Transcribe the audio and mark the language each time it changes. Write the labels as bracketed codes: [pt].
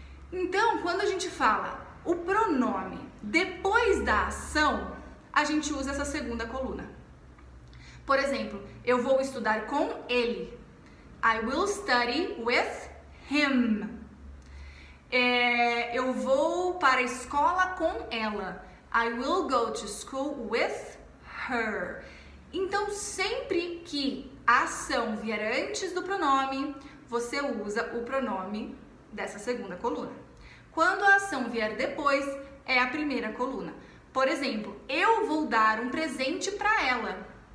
[pt] Então, quando a gente fala o pronome depois da ação, a gente usa essa segunda coluna. Por exemplo, eu vou estudar com ele. [en] I will study with him. [pt] Eu vou para a escola com ela. [en] I will go to school with her. [pt] Então, sempre que a ação vier antes do pronome, você usa o pronome dessa segunda coluna. Quando a ação vier depois, é a primeira coluna. Por exemplo, eu vou dar um presente para ela.